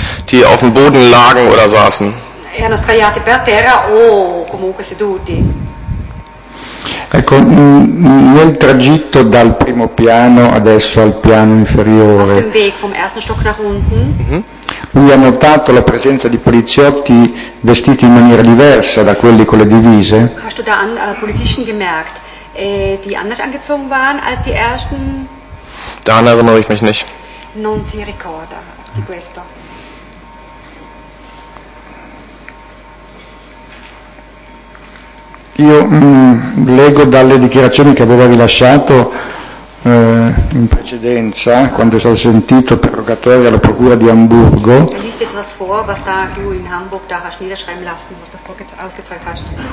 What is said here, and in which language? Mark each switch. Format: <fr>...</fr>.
<de>Die auf dem Boden lagen oder saßen.</de> <it>Erano sdraiati per terra o comunque seduti. Ecco, nel tragitto dal primo piano adesso al piano inferiore,</it> <de>auf dem Weg vom ersten Stock nach unten,</de> <it>lui ha notato la presenza di poliziotti vestiti in maniera diversa da quelli con le divise?</it> <de>Hast du da an Polizisten gemerkt, die anders angezogen waren als die ersten? Daran erinnere ich mich nicht.</de> <it>Non si ricorda di questo. Io leggo dalle dichiarazioni che aveva rilasciato in precedenza, quando è stato sentito interrogatorio alla procura di Amburgo.</it> <de>Liest jetzt was vor, was da du in Hamburg da hast niederschreiben lassen, was du ausgezahlt hast.</de>